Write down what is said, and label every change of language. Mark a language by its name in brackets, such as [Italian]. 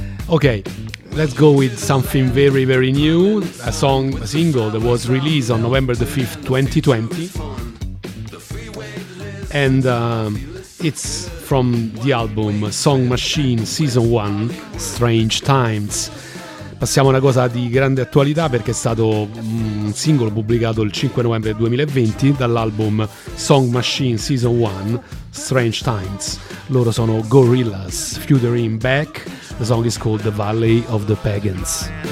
[English] Okay, let's go with something very, very new. A song, a single that was released on November the 5th, 2020. And it's from the album Song Machine Season 1, Strange Times. [Italian] Passiamo a una cosa di grande attualità, perché è stato un singolo pubblicato il 5 novembre 2020 dall'album Song Machine Season 1, Strange Times. Loro sono Gorillaz, featuring Beck. [English] The song is called The Valley of the Pagans.